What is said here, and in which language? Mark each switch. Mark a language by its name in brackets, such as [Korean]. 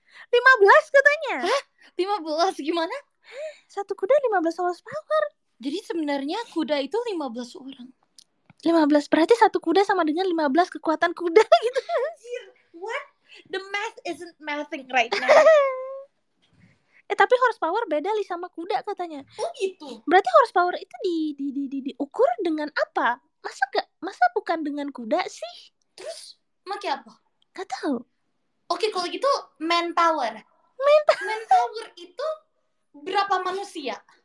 [Indonesian] 15 katanya. Hah? 15 gimana? Satu kuda 15 horsepower. Jadi sebenarnya kuda itu 15 orang. 15 berarti satu kuda sama dengan 15 kekuatan kuda gitu. [English] What? The math isn't mathing right now. [Indonesian] Eh tapi horsepower beda li sama kuda katanya. Oh gitu. Berarti horsepower itu diukur dengan apa? Masa gak? Masa bukan dengan kuda sih? Terus pakai apa? Gak tahu. Oke, kalau gitu manpower. Manpower itu berapa manusia?